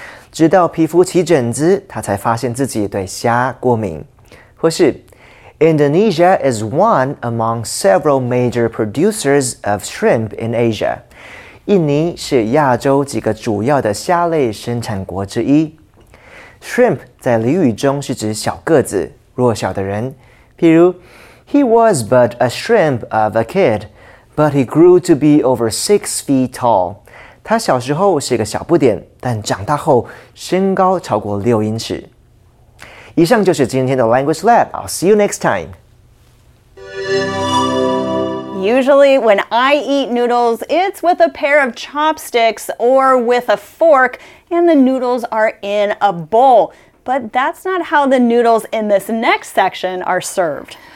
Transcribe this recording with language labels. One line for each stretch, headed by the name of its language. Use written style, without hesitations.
Chinese: 直到皮肤起疹子，他才发现自己对虾过敏。或是
English: ，Indonesia is one among several major producers of shrimp in Asia。
Chinese: 印尼是亚洲几个主要的虾类生产国之一。 Shrimp 在俚语中是指小个子、弱小的人。譬如
English: ，He was but a shrimp of a kid, but he grew to be over 6 feet tall。
Chinese: 他小时候是个小不点，但长大后身高超过6英尺。以上就是今天的
English: Language Lab. I'll see you next time. Usually when I eat noodles, it's with a pair of chopsticks or with a fork, and the noodles are in a bowl. But that's not how the noodles in this next section are served.